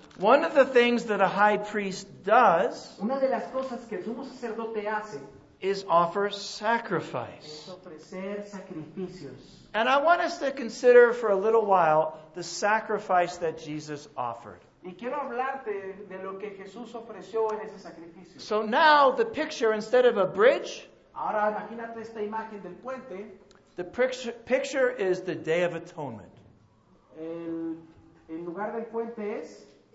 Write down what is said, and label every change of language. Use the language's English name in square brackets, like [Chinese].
[English] One of the things that a high priest does, [Spanish] una de las cosas que el sumo sacerdote hace, [English] is offer sacrifice. [Spanish] Es ofrecer sacrificios. [English] And I want us to consider for a little while the sacrifice that Jesus offered. [Spanish] Y quiero hablarte de lo que Jesús ofreció en ese sacrificio. [English] So now the picture, instead of a bridge, [Spanish] ahora imagínate esta imagen del puente, [English] the picture is the Day of Atonement. [Spanish] El lugar del puente es